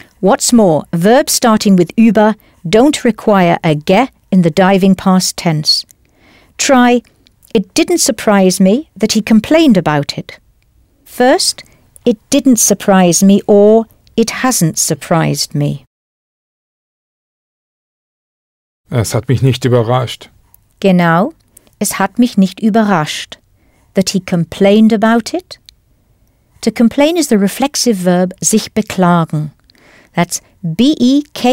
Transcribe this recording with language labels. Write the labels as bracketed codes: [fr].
[en] What's more, verbs starting with über don't require a ge in the diving past tense. Try, it didn't surprise me that he complained about it. First, it didn't surprise me, or it hasn't surprised me. [de] Es hat mich nicht überrascht. Genau, es hat mich nicht überrascht. [en] That he complained about it? To complain is the reflexive verb sich beklagen. That's beklagen.